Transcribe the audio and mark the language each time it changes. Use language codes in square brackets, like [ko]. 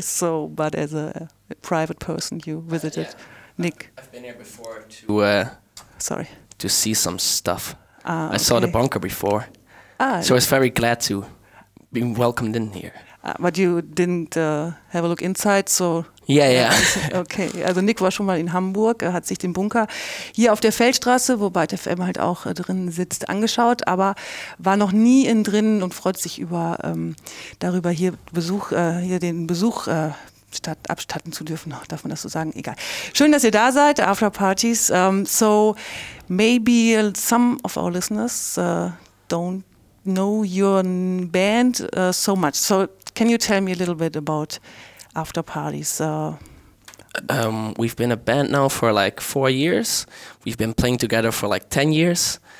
[en] So, but as a private person, you visited Nick. I've been here before to to see some stuff. I saw the bunker before, so I was very glad to be welcomed in here. But you didn't have a look inside, so. Yeah, yeah. [de] Okay, also Nick war schon mal in Hamburg, hat sich den Bunker hier auf der Feldstraße, wo ByteFM halt auch drin sitzt, angeschaut, aber war noch nie in drinnen und freut sich über darüber, hier Besuch, hier den Besuch abstatten zu dürfen. Darf man das so sagen? Egal. Schön, dass ihr da seid, Afterpartees. [en] So maybe some of our listeners don't know your band so much. So can you tell me a little bit about Afterpartees? We've been a band now for like 4 years. We've been playing together for like 10 years.